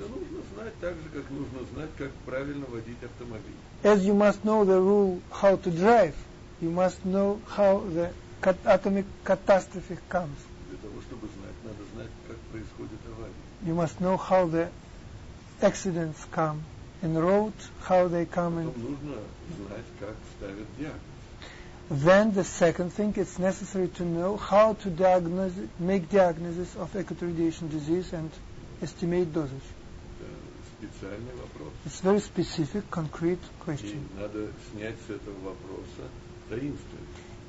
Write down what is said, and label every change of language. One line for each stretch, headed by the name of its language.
Russian: Это нужно знать так же, как нужно знать, как правильно водить автомобиль.
English: As you must know the rule how to drive, you must know how the atomic catastrophe comes.
Russian: Для того, чтобы знать, надо знать, как происходит авария.
English: You must know how the accidents come in the road, how they come in.
Russian: Потом нужно знать, как ставят диагноз.
English: Then the second thing, it's necessary to know how to make diagnosis of acute radiation disease and estimate dosage.
Russian: Специальный вопрос.
English: It's very specific, concrete question.
Russian: И надо снять с этого вопроса таинственность.